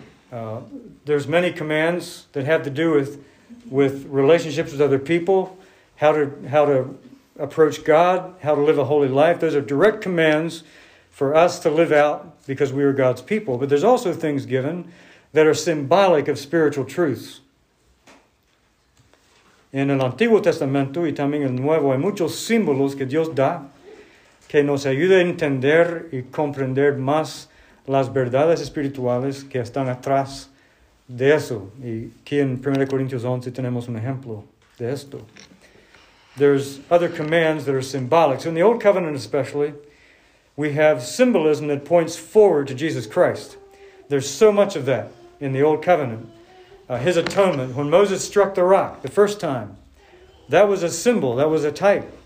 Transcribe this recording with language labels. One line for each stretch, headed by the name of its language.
English: There's many commands that have to do with relationships with other people, how to approach God, how to live a holy life. Those are direct commands for us to live out because we are God's people. But there's also things given that are symbolic of spiritual truths.
Spanish: En el Antiguo Testamento y también el Nuevo hay muchos símbolos que Dios da que nos ayuda a entender y comprender más las verdades espirituales que están atrás de eso. Y aquí en 1 Corintios 11 tenemos un ejemplo de esto.
English: There's other commands that are symbolic. So in the Old Covenant especially, we have symbolism that points forward to Jesus Christ. There's so much of that in the Old Covenant. His atonement, when Moses struck the rock the first time, that was a symbol, that was a type.